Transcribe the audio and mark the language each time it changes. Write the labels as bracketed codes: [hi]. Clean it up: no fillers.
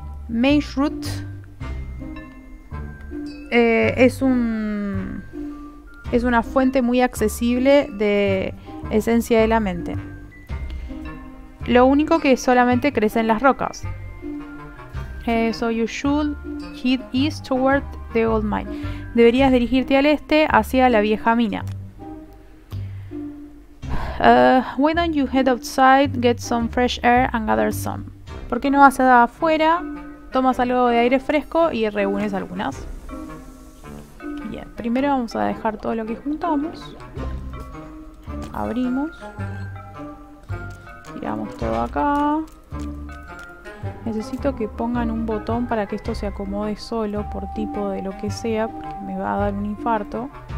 [es] Mage Root es una fuente muy accesible de esencia de la mente. Lo único que solamente crece en las rocas. [en] So you should head east toward the old mine. [es] Deberías dirigirte al este hacia la vieja mina. [en] Why don't you head outside, get some fresh air and gather some? [es] ¿Por qué no vas afuera, tomas algo de aire fresco y reúnes algunas? Bien, primero vamos a dejar todo lo que juntamos. Abrimos. Tiramos todo acá. Necesito que pongan un botón para que esto se acomode solo por tipo de lo que sea, porque me va a dar un infarto.